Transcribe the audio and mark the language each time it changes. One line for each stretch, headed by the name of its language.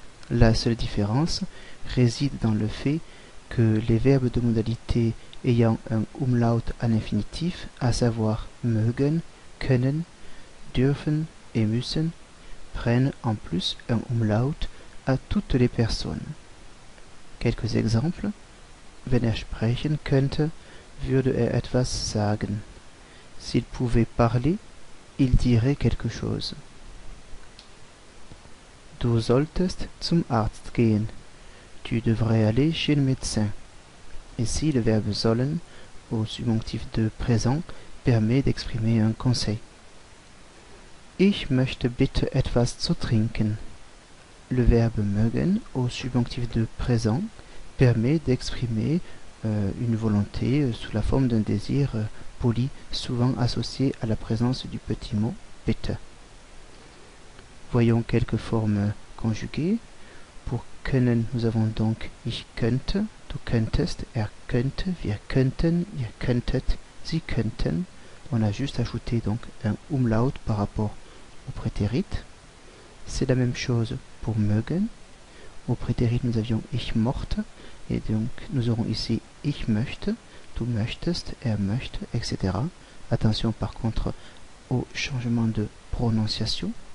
French: La seule différence réside dans le fait que les verbes de modalité ayant un umlaut à l'infinitif, à savoir mögen, können, dürfen et müssen, prennent en plus un umlaut à toutes les personnes. Quelques exemples.
German: Wenn er sprechen könnte, würde er etwas sagen.
French: S'il pouvait parler, il dirait quelque chose.
German: Du solltest zum Arzt gehen.
French: Tu devrais aller chez le médecin. Ici, le verbe sollen au subjonctif de présent permet d'exprimer un conseil.
German: Ich möchte bitte etwas zu trinken.
French: Le verbe mögen au subjonctif de présent permet d'exprimer une volonté sous la forme d'un désir poli, souvent associé à la présence du petit mot bitte. Voyons quelques formes conjuguées. Pour können, nous avons donc
German: ich könnte. Du könntest, er könnte, wir könnten, ihr könntet, sie könnten.
French: On a juste ajouté donc un umlaut par rapport au prétérit. C'est la même chose pour mögen. Au prétérit, nous avions
German: ich mochte,
French: et donc nous aurons ici
German: ich möchte, du möchtest, er möchte,
French: etc. Attention par contre au changement de prononciation.